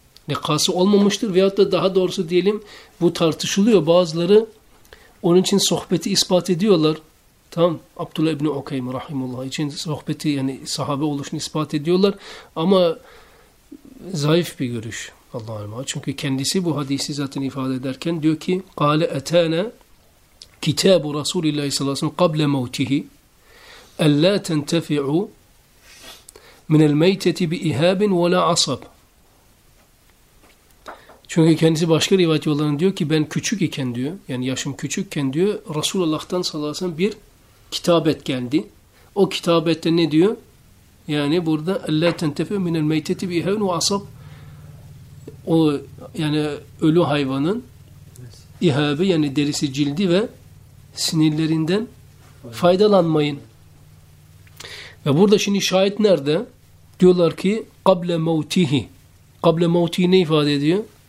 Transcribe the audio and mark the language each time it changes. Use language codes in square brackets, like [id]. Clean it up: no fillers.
[tr] Likası olmamıştır veyahut da daha doğrusu diyelim bu tartışılıyor. Bazıları onun için sohbeti ispat ediyorlar. Tam Abdullah İbni Ukeym rahimullah için sohbeti yani sahabe oluşunu ispat ediyorlar. Ama zayıf bir görüş Allah'a emanet. Çünkü kendisi bu hadisi zaten ifade ederken diyor ki [ar] قَالَ اَتَانَا كِتَابُ رَسُولِ اللّٰهِ صَلَّى اللّٰهِ صَلَّى قَبْلَ مَوْتِهِ اَلَّا تَنْتَفِعُ مِنَ الْمَيْتَةِ بِإِهَابٍ وَلَا عَصَبٍ. [tr] Çünkü kendisi başka rivayet yollarında diyor ki ben küçük iken diyor yani yaşım küçükken diyor Resulullah'tan sallallahu aleyhi ve sellem bir kitabet geldi. O kitabette ne diyor? Yani burada [ar] اَلَّا تَنْتَفِعُ مِنَ الْمَيْتَةِ بِيْهَوْنُ وَعَصَبُ. [tr] O yani ölü hayvanın ihabı yani derisi cildi ve sinirlerinden faydalanmayın. Ve burada şimdi şahit nerede? Diyorlar ki [ar] قَبْلَ مَوْتِهِ. قَبْلَ مَوْتِهِ [tr] ne ifade ediyor?